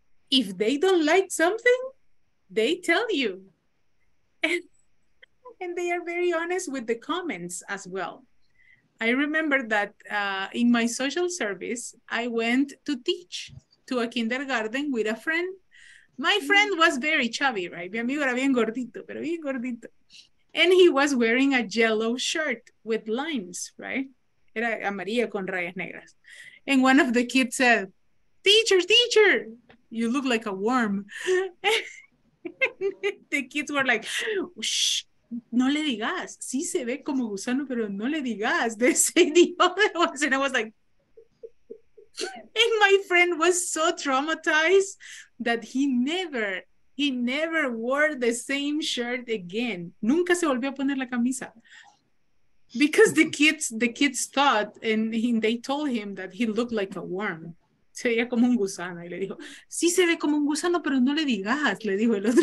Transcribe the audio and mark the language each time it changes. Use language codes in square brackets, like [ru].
[en] If they don't like something, they tell you. And they are very honest with the comments as well. I remember that in my social service, I went to teach to a kindergarten with a friend. My friend was very chubby, right? [es] Mi amigo era bien gordito, pero bien gordito. [en] And he was wearing a yellow shirt with lines, right? [es] Era amarilla con rayas negras. [en] And one of the kids said, teacher, teacher, you look like a worm. The kids were like, shh, [es] no le digas. Sí se ve como gusano, pero no le digas. [en] They say the other ones. And I was like, and my friend was so traumatized that he never wore the same shirt again. [es] Nunca se volvió a poner la camisa. [en] Because the kids thought, and they told him that he looked like a worm. [es] Se veía como un gusano. Y le dijo, sí se ve como un gusano, pero no le digas, le dijo el otro.